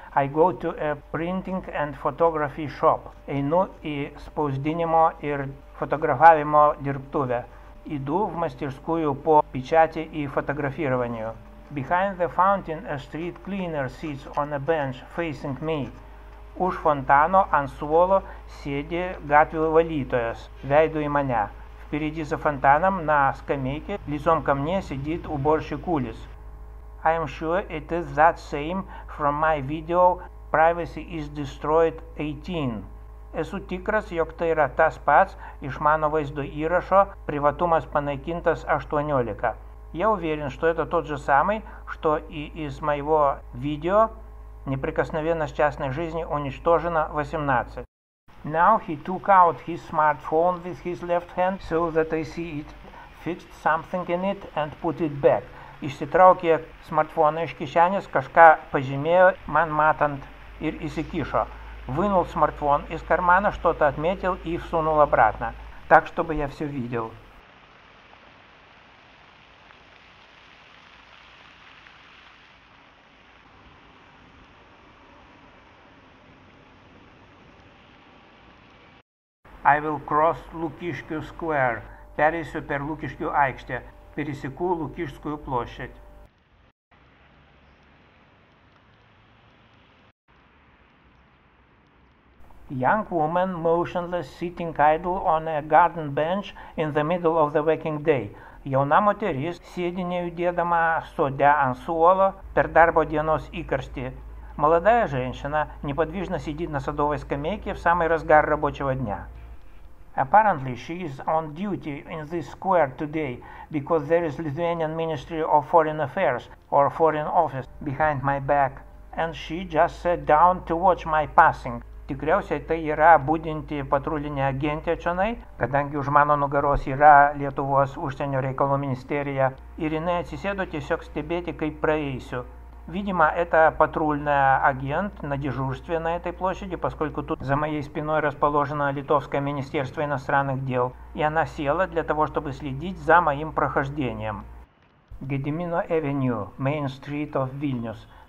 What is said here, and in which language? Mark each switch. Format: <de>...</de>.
<en>I go to a printing and photography shop.</en> <lt>Einu į spausdinimo ir fotografavimo dirbtuvę.</lt> <ru>Įdu v mastirskųjų po pečatį į fotografirovaniu.</ru> <en>Behind the fountain a street cleaner sits on a bench facing me.</en> <lt>Už fontano ant suolo sėdi gatvių valytojas, veidu į mane.</lt> <ru>Впереди за фонтаном на скамейке лицом ко мне сидит уборщик улиц.</ru> <en>I am sure it is that same from my video Privacy is Destroyed 18.</en> <lt>Esu tikras, jog tai yra tas pats iš mano vaizdo įrašo Privatumas panaikintas 18.</lt> <ru>Я уверен, что это тот же самый, что и из моего видео Неприкосновенность частной жизни уничтожена 18.</ru> <en>Now he took out his smartphone with his left hand so that I see it, fixed something in it and put it back.</en> <lt>Išsitraukė smartfoną iš kišenės, kažką pažymėjo, man matant, ir įsikišo.</lt> <ru>Вынул смартфон из кармана, что-то отметил и всунул обратно, так чтобы я всё видел.</ru> <en>I will cross Lukiškių Square.</en> <lt>Pereisiu per Lukiškių aikštę. Pereisiu Lukiškių</lt> <ru>площадь.</ru> <en>Young woman motionless sitting idle on a garden bench in the middle of the working day.</en> <lt>Jauna moteris sėdi nejudėdama sode ant suolo per darbo dienos įkarštį.</lt> <ru>Молодая женщина неподвижно сидит на садовой скамейке в самый разгар рабочего дня.</ru> <en>Apparently, she is on duty in this square today because there is Lithuanian Ministry of Foreign Affairs or Foreign Office behind my back and she just sat down to watch my passing.</en> <lt>Tikriausiai tai yra būdinti patrulinė agentė čionai, kadangi už mano nugaros yra Lietuvos užsienio reikalų ministerija ir jinai atsisėdo tiesiog stebėti, kaip praeisiu.</lt> <ru>Видимо, это патрульный агент на дежурстве на этой площади, поскольку тут за моей спиной расположено Литовское министерство иностранных дел, и она села для того, чтобы следить за моим прохождением.</ru> <en>Gedimino Avenue, Main Street of Vilnius.</en>